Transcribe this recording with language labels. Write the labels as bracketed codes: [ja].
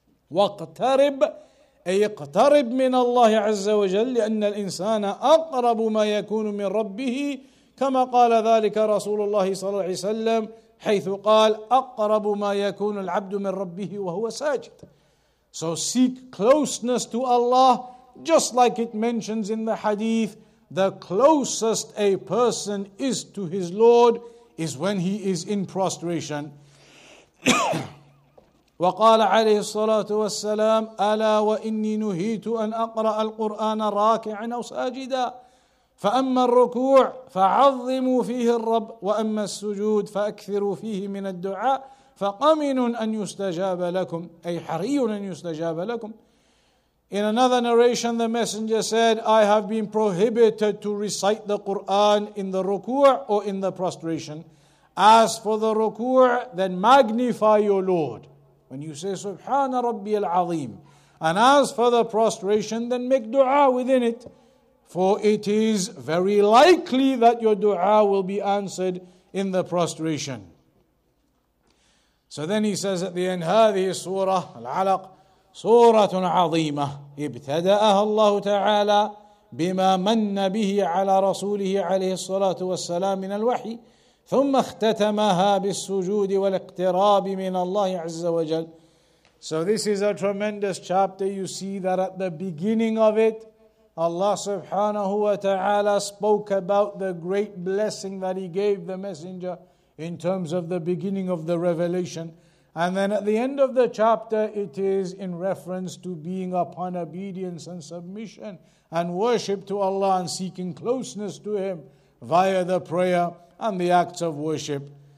[ar] وَاقْتَرِبْ أي اقْتَرِبْ مِنَ اللَّهِ عَزَّ وَجَلِّ لِأَنَّ الْإِنسَانَ أَقْرَبُ مَا يَكُونُ مِنْ رَبِّهِ كَمَا قَالَ ذَلِكَ رَسُولُ اللَّهِ صَلَى اللَّهِ عَلَيْهِ وَسَلَّمْ حَيْثُ قَالَ أَقْرَبُ مَا يَكُونُ الْعَبْدُ مِنْ رَبِّهِ وَهُوَ سَاجِدْ. [en] So seek closeness to Allah, just like it mentions in the hadith, the closest a person is to his Lord is when he is in prostration. [ar] وقال عليه الصلاة والسلام ألا وإني نهيت أن أقرأ القرآن راكعا أو ساجدا فأما الركوع فعظموا فيه الرب وأما السجود فأكثروا فيه من الدعاء فقمن أن يستجاب لكم أي حري أن يستجاب لكم. [en] In another narration, the messenger said, I have been prohibited to recite the Quran in the ruku' or in the prostration. As for the ruku', then magnify your Lord when you say Subhana Rabbi al-Azim. And as for the prostration, then make dua within it. For it is very likely that your dua will be answered in the prostration. So then he says at the end, [ar] هذه السورة العلق سورة عظيمة ابتدأها الله تعالى بما من به على رسوله عليه الصلاة والسلام من الوحي ثم اختتمها بالسجود والاقتراب من الله عز وجل. [en] So this is a tremendous chapter. You see that at the beginning of it, Allah subhanahu wa ta'ala spoke about the great blessing that He gave the messenger in terms of the beginning of the revelation. And then at the end of the chapter, it is in reference to being upon obedience and submission and worship to Allah and seeking closeness to Him via the prayer and the acts of worship.